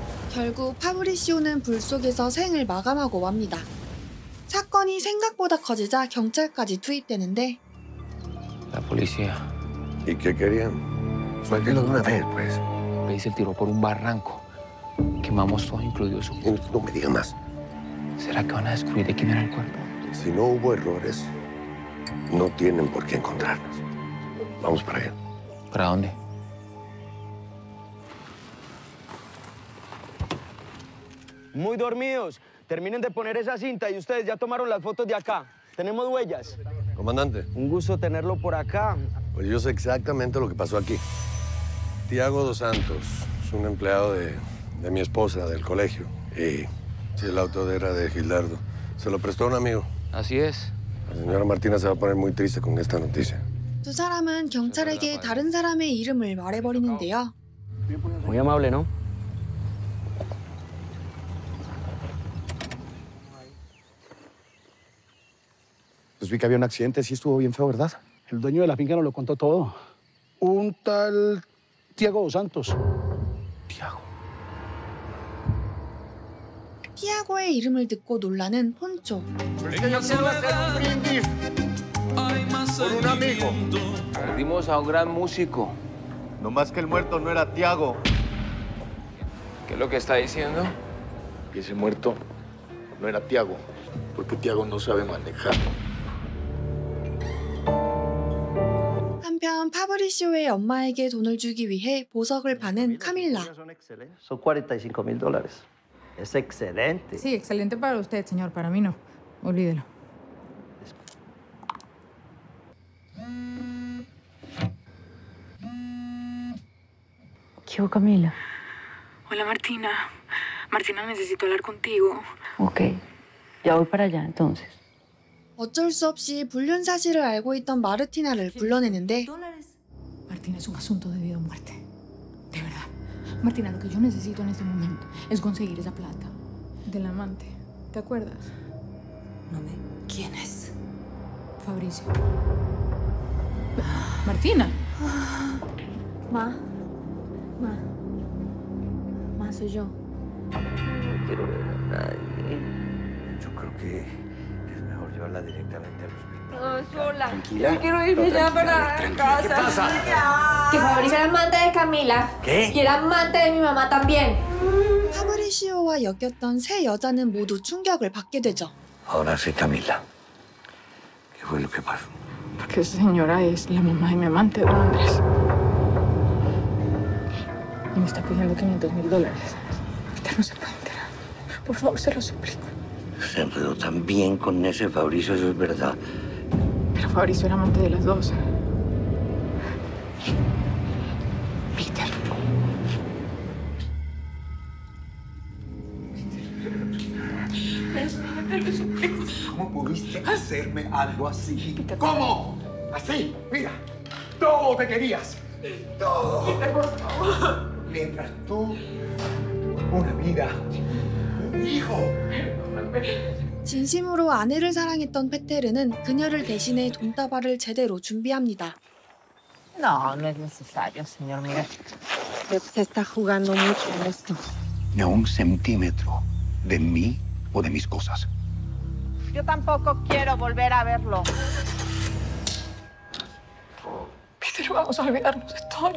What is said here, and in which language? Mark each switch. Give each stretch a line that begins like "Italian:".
Korean: 결국 파브리시오는 불 속에서 생을 마감하고 맙니다. 사건이 생각보다 커지자 경찰까지 투입되는데.
Spanish: La policía. ¿Y qué querían? Suéltelo de una vez, pues. Veis el tiro por un barranco. Quemamos todo, incluido su cuerpo. No me diga más. ¿Será que van a descubrir de quién era el cuerpo? Si no hubo errores, no tienen por qué encontrarnos. Vamos para allá. ¿Para dónde? Muy dormidos. Terminen de poner esa cinta y ustedes ya tomaron las fotos de acá. Tenemos huellas. Comandante. Un gusto tenerlo por acá. Pues yo sé exactamente lo que pasó aquí. Tiago Dos Santos es un empleado de mi esposa, del colegio. Y sí, el auto era de Gildardo. Se lo prestó un amigo. Así es. La señora Martina se va a poner muy triste con esta noticia.
Korean: 두 사람은 경찰에게 다른 사람의 이름을 말해버리는데요.
Spanish: Muy amable, ¿no? Pues vi que había un accidente, sí estuvo bien feo, ¿verdad? El dueño de la finca nos lo contó todo. Un tal Tiago Dos Santos. Tiago.
Korean: Tiago의 이름을 듣고 놀라는 폰초.
Spanish: Por un amigo. Perdimos a un gran músico. No más que el muerto no era Tiago. ¿Qué es lo que está diciendo? Y ese muerto no era Tiago, porque Tiago no sabe manejar.
Korean: 한편 파브리시오의 엄마에게 돈을 주기 위해 보석을 파는 카밀라.
Spanish: Son 45.000 dólares. Es excelente. Sí, excelente para usted, señor. Para mí no. Olvídelo. ¿Qué hubo, Camila? Hola, Martina. Martina, necesito hablar contigo. Ok. Ya voy para allá, entonces.
Korean: 어쩔 수 없이 불륜 사실을 알고 있던 마르티나를 불러내는데
Spanish: Martina es un asunto de vida o muerte. De verdad. Martina, lo que yo necesito en este momento es conseguir esa plata del amante. ¿Te acuerdas? No me... ¿Quién es? Fabricio. Martina. Ma. Ma. Ma, soy yo. No quiero ver a nadie. Yo creo que llevarla directamente al hospital. No, sola. Tranquila. Yo quiero irme ya para casa. ¿Qué pasa? Que Fabricio era amante de Camila. ¿Qué? Y era amante de mi mamá también.
Korean: Fabricio와 엮였던 세 여자는 모두 충격을 받게 되죠.
Spanish: Ahora sí, Camila. ¿Qué fue lo que pasó? Porque esa señora es la mamá de mi amante, don Andrés. Y me está pidiendo 500.000 dólares. Ahorita no se puede enterar. Por favor, se lo suplico. Se enredó tan bien con ese Fabricio, eso es verdad. Pero Fabricio era amante de las dos. Peter. ¿Cómo pudiste hacerme algo así? ¿Cómo? ¿Así? Mira, todo te querías. Todo. Peter, por favor. Mientras tú, una vida, un hijo.
Korean: 진심으로 아내를 사랑했던 페테르는 그녀를 대신해 돈다발을 제대로 준비합니다.
Spanish: No, no es necesario, señor. Mire, se está jugando mucho en esto. Ni a un centímetro de mí o de mis cosas. Yo tampoco quiero volver a verlo. Peter, vamos a olvidarnos de todo.